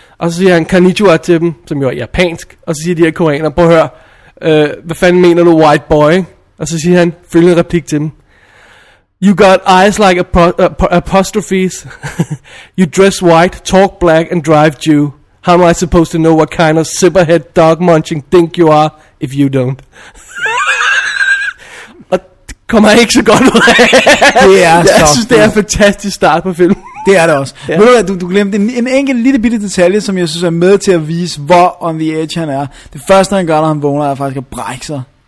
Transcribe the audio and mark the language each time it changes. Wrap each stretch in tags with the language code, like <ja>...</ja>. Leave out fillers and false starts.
<da>Og så siger han konnichiwa til dem, som jo er japansk, og så siger de her koreanere, prøv at høre, hvad fanden mener du,</da> <en>white boy?</en> <da>Og så siger han følgende replik til dem.</da> <en>You got eyes like apostrophes. You dress white, talk black, and drive Jew. How am I supposed to know what kind of zipperhead dog munching think you are if you don't?</en> <da>Og kommer ikke så godt ud af. Det er så. Jeg synes, det er en fantastisk start på filmen. Det er det også. Ja. Ved du, du glemte en enkelt lille bitte detalje, som jeg synes er med til at vise, hvor</da> <en>on the edge</en> <da>han er. Det første, han gør, når han vågner, er faktisk at brække sig.</da>